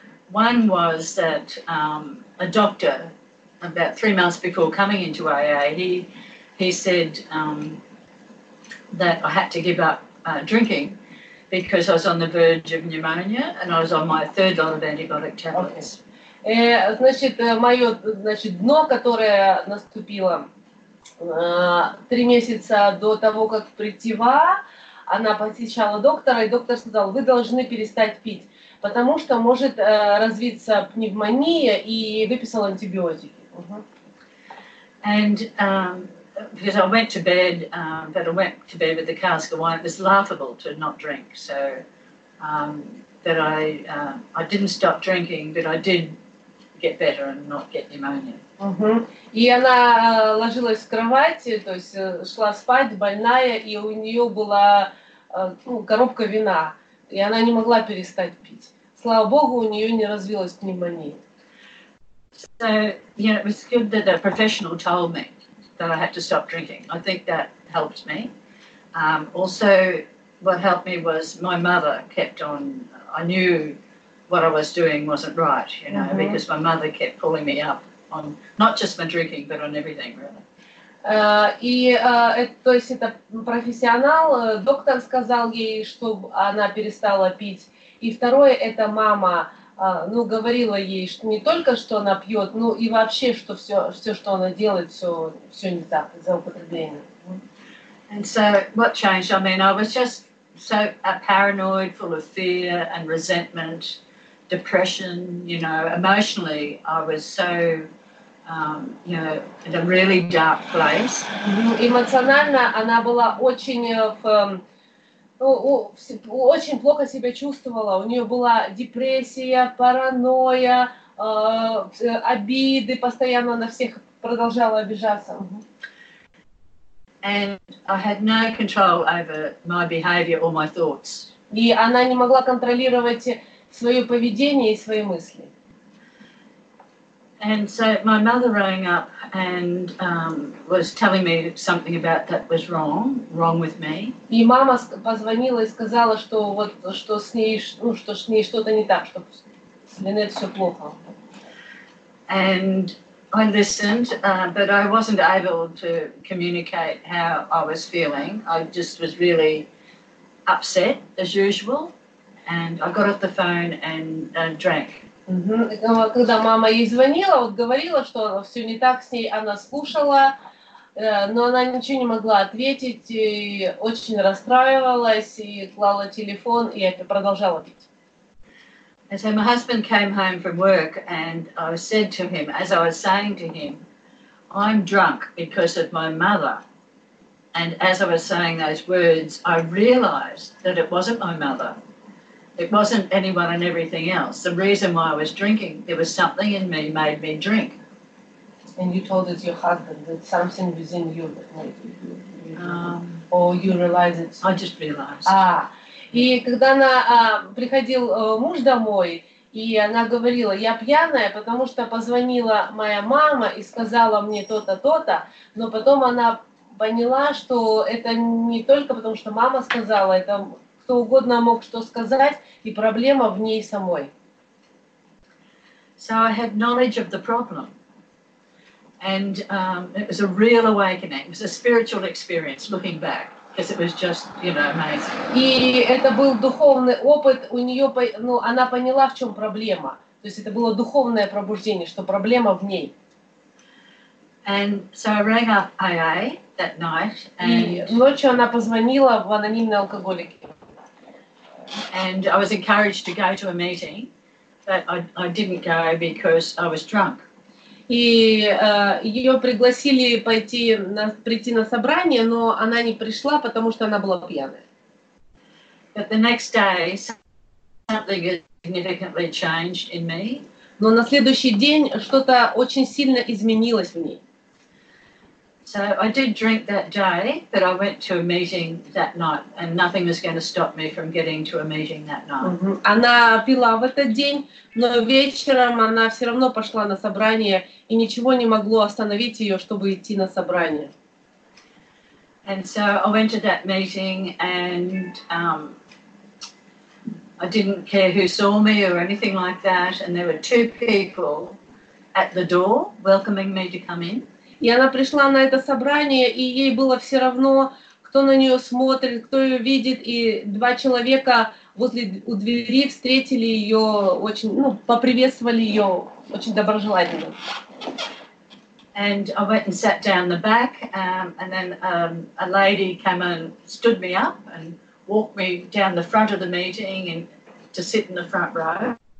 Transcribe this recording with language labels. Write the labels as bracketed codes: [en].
[en] One was that a doctor about 3 months before coming into AA, he said that I had to give up drinking because I was on the verge of pneumonia and I was on my third lot of antibiotic tablets. Okay. [ru] Значит, мое, значит, дно, которое наступило 3 месяца до того, как прийти в АА, она посещала доктора, и доктор сказал, вы должны перестать пить, потому что может развиться пневмония, и выписал антибиотики. [en] And because I went to bed, but I went to bed with the cask of wine, it was laughable to not drink, so that I didn't stop drinking, but I did get better and not get pneumonia. [ru] И она ложилась в кровати, то есть шла спать больная, и у нее была коробка вина, и она не могла перестать пить. Слава богу, у нее не развилась пневмония. [en] So, you know, it was good that a professional told me that I had to stop drinking. I think that helped me. Also, what helped me was my mother kept on. I knew what I was doing wasn't right, you know, mm-hmm. because my mother kept pulling me up on not just my drinking, but on everything, really. [ru] То есть это профессионал, доктор сказал ей, чтобы она перестала пить. И второе, это мама, говорила ей, что не только, что она пьет, но и вообще, что все, что она делает, все не так, за употребление. [en] And so what changed? I mean, I was just so paranoid, full of fear and resentment, depression, you know, emotionally I was so... in a really dark place. [ru] Эмоционально она была очень плохо себя чувствовала. У нее была депрессия, паранойя, обиды, постоянно на всех продолжала обижаться. [en] And I had no control over my behavior or my thoughts. [ru] И она не могла контролировать свое поведение и свои мысли. [en] And so my mother rang up and was telling me something about that was wrong with me. [ru] И мама позвонила и сказала, что вот что с ней, ну что с ней что-то не так, что с ней все плохо. [en] And I listened, but I wasn't able to communicate how I was feeling. I just was really upset as usual, and I got off the phone and drank. [ru] Когда мама ей звонила, вот говорила, что все не так с ней, она слушала, но она ничего не могла ответить, и очень расстраивалась, и клала телефон, и продолжала пить. [en] And so my husband came home from work, and I said to him, as I was saying to him, I'm drunk because of my mother. And as I was saying those words, I realized that it wasn't my mother. It wasn't anyone and everything else. The reason why I was drinking, there was something in me made me drink. And you told it your husband that something within you that made you drink. Or you realized it. I just realized. [ru] И когда она приходил муж домой, и она говорила, я пьяная, потому что позвонила моя мама и сказала мне то-то, то-то, но потом она поняла, что это не только потому, что мама сказала, это... кто угодно мог что сказать, и проблема в ней самой. [en] So I had knowledge of the problem. And it was a real awakening. It was a spiritual experience looking back, because it was just, you know, amazing. [ru] И это был духовный опыт. У нее, ну, она поняла, в чем проблема. То есть это было духовное пробуждение, что проблема в ней. [en] And so I rang up AA that night. [ru] И ночью она позвонила в анонимные алкоголики. [en] And I was encouraged to go to a meeting, but I didn't go because I was drunk. [ru] И ее пригласили пойти на, прийти на собрание, но она не пришла, потому что она была пьяная. [en] But the next day, something significantly changed in me. [ru] Но на следующий день что-то очень сильно изменилось в ней. [en] So I did drink that day, but I went to a meeting that night, and nothing was going to stop me from getting to a meeting that night. Mm-hmm. [ru] Она пила в этот день, но вечером она все равно пошла на собрание, и ничего не могло остановить ее, чтобы идти на собрание. [en] And so I went to that meeting, and I didn't care who saw me or anything like that, and there were two people at the door welcoming me to come in. [ru] И она пришла на это собрание, и ей было все равно, кто на нее смотрит, кто ее видит, и два человека возле у двери встретили ее очень, ну, поприветствовали ее очень доброжелательно. [en] And I went and sat down the back, and then a lady came and stood me up and walked me down the front of the meeting and to sit in the front row.